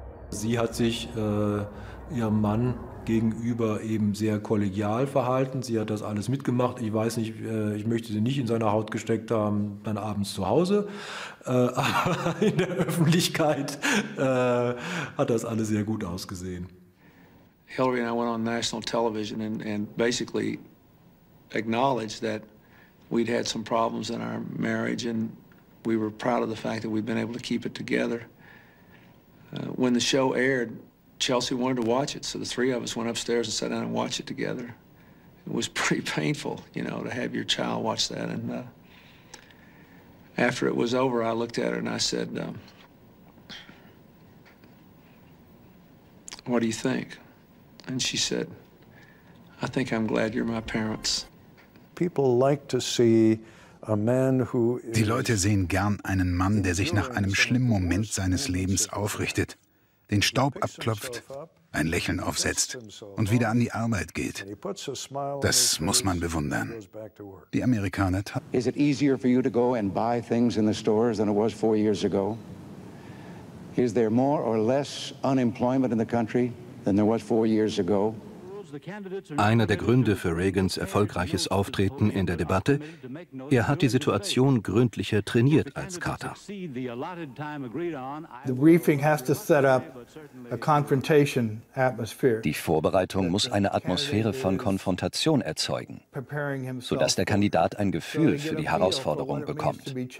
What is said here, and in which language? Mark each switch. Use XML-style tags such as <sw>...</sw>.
<de>Sie hat sich ihrem Mann gegenüber eben sehr kollegial verhalten. Sie hat das alles mitgemacht. Ich weiß nicht, ich möchte sie nicht in seiner Haut gesteckt haben, dann abends zu Hause. Aber in der Öffentlichkeit hat das alles sehr gut ausgesehen.</de> <en>Hillary and I went on national television and basically acknowledged that we'd had some problems in our marriage and we were proud of the fact that we'd been able to keep it together. When the show aired, Chelsea wanted to watch it, so the three of us went upstairs and sat down and watched it together. It was pretty painful, you know, to have your child watch that. And after it was over, I looked at her and I said, what do you think? And she said, I think I'm glad you're my parents. People like to see...</en> <de>Die Leute sehen gern einen Mann, der sich nach einem schlimmen Moment seines Lebens aufrichtet, den Staub abklopft, ein Lächeln aufsetzt und wieder an die Arbeit geht. Das muss man bewundern. Die Amerikaner taten.</de> <en>Is it easier for you to go and buy things in the stores than it was four years ago? Is there more or less unemployment in the country than there was four years ago?</en> <de>Einer der Gründe für Reagans erfolgreiches Auftreten in der Debatte, er hat die Situation gründlicher trainiert als Carter. Die Vorbereitung muss eine Atmosphäre von Konfrontation erzeugen, sodass der Kandidat ein Gefühl für die Herausforderung bekommt.</de>